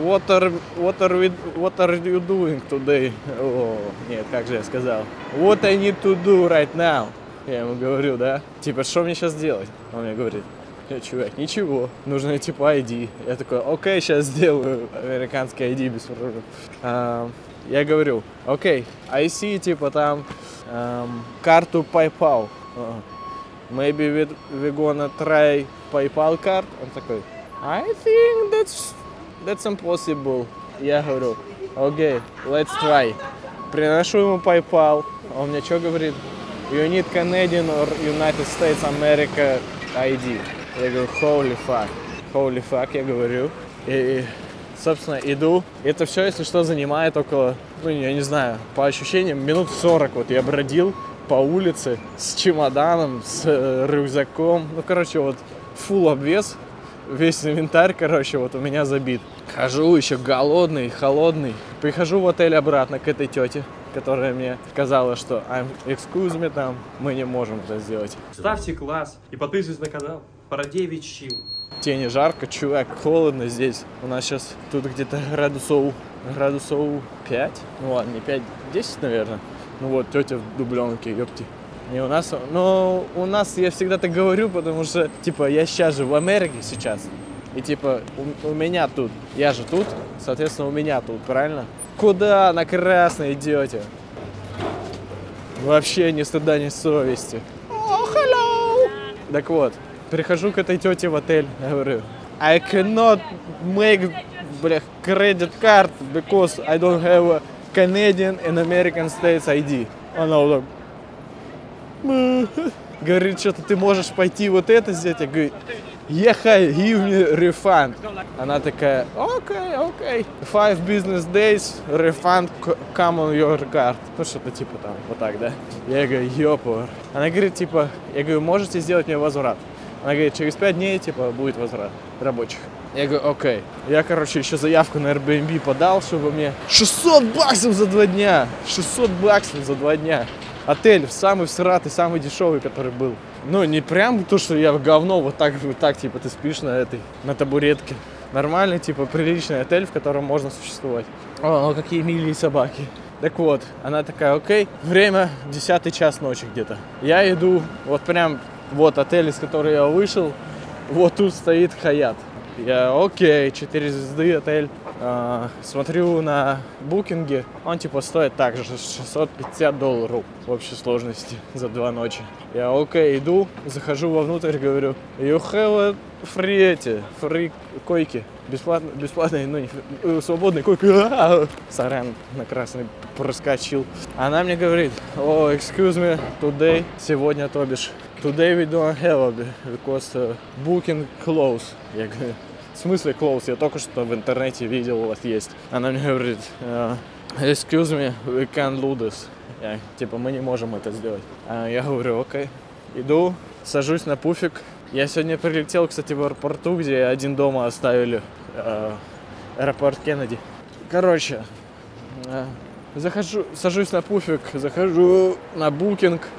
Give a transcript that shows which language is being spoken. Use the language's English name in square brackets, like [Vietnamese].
[English] What are you doing today? [Russian] Нет, как же я сказал. [English] What I need to do right now? [Russian] Я ему говорю, да? Типа, что мне сейчас делать? Он мне говорит, чувак, ничего, нужно типа ID. Я такой, окей, сейчас сделаю американский ID без проблем. Я говорю, окей, [English] I see, [Russian] типа там, карту PayPal. [English] Maybe we gonna try PayPal card? [Russian] Он такой, [English] I think that's impossible. [Russian] Я говорю, окей, [English] let's try. [Russian] Приношу ему PayPal. Он мне что говорит? [English] You need Canadian or United States America ID. [Russian] Я говорю, [English] holy fuck, [Russian] я говорю. И, собственно, иду. Это все, если что, занимает около, ну, я не знаю, по ощущениям, минут 40. Вот я бродил по улице с чемоданом, с рюкзаком. Ну, короче, вот фулл обвес. Весь инвентарь, короче, вот у меня забит. Хожу еще голодный, холодный. Прихожу в отель обратно к этой тете, которая мне сказала, что [English] excuse me, [Russian] там мы не можем это сделать. Ставьте класс и подписывайтесь на канал. Парадевич чил. Тебе не жарко, чувак, холодно здесь. У нас сейчас тут где-то градусов 5. Ну ладно, не 5, 10, наверное. ну вот, тетя в дубленке, ёпти. Не у нас, но у нас, я всегда так говорю, потому что, типа, я сейчас же в Америке сейчас. И, типа, у меня тут, я же тут, соответственно, у меня тут, правильно? Куда на красной идете? Вообще ни стыда, ни совести. [English] Oh, hello! [Russian] Так вот, прихожу к этой тете в отель, я говорю, [English] I cannot make, [Russian] блях, [English] credit card, because I don't have a Canadian and American States ID. [Russian] Она вот так... Говорит, что-то ты можешь пойти вот это сделать? Я говорю, ехай, [English] give me refund. [Russian] Она такая, окей, окей. [English] Five business days, refund, come on your card. [Russian] Ну, что-то типа там, вот так, да? Я говорю, ёпор. Она говорит, типа, я говорю, можете сделать мне возврат? Она говорит, через 5 дней, типа, будет возврат рабочих. Я говорю, окей. Я, короче, еще заявку на Airbnb подал, чтобы мне 600 баксов за 2 дня. 600 баксов за 2 дня. Отель самый всратый, самый дешевый, который был. Ну, не прям то, что я в говно, вот так, типа, ты спишь на этой, на табуретке. Нормальный, типа, приличный отель, в котором можно существовать. О, какие милые собаки. Так вот, она такая, окей, время 10 час ночи где-то. Я иду, вот прям, вот отель, из которого я вышел, вот тут стоит Хаят. Я, окей, 4 звезды отель. Смотрю на букинге, он типа стоит так же, $650 в общей сложности за 2 ночи. Я, окей, иду, захожу вовнутрь, говорю, [English] you have a free, [Russian] эти, [English] free [Russian] койки. Бесплатные, ну, не, свободные койки. Сорян, на красный проскочил. Она мне говорит, [English] oh, excuse me, today, [Russian] сегодня, то бишь, [English] today we don't have it, because booking closed. [Russian] Я говорю, в смысле close? Я только что в интернете видел, у вас есть. Она мне говорит, [English] excuse me, we can't do this. [Russian] Я, типа, мы не можем это сделать. Я говорю, окей. Иду, сажусь на пуфик. Я сегодня прилетел, кстати, в аэропорту, где один дома оставили. Аэропорт Кеннеди. Короче, захожу, сажусь на пуфик, захожу на букинг.